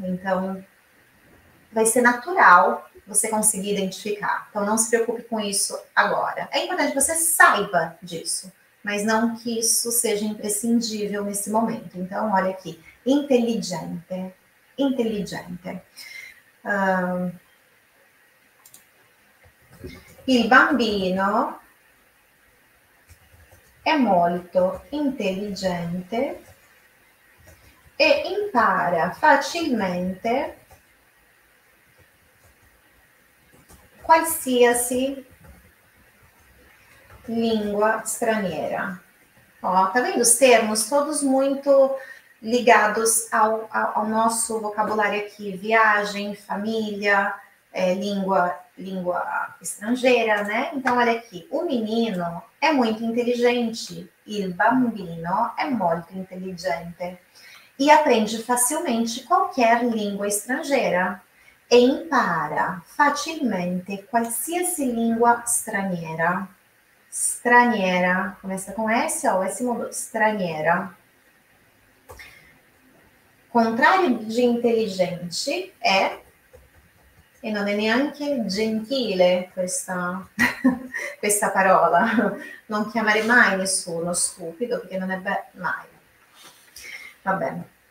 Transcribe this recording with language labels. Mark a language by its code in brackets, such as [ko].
[pt] Então, vai ser natural você conseguir identificar. Então, não se preocupe com isso agora. É importante que você saiba disso, mas não que isso seja imprescindível nesse momento. Então, olha aqui, inteligente, inteligente. [it] Il bambino è molto intelligente e impara facilmente qualsiasi lingua straniera. [pt] Ó, tá vendo os termos todos muito ligados ao nosso vocabulário aqui? Viagem, família, língua estrangeira, né? Então, olha aqui, o menino é muito inteligente, [it] il bambino è molto intelligente [pt] e aprende facilmente qualquer língua estrangeira [it] e impara facilmente qualsiasi lingua straniera. [pt] Straniera, começa com S ou S mudo, straniera. Contrário de inteligente é. [it] E non è neanche gentile questa parola. Non chiamare mai nessuno stupido, perché non è mai. Va bene.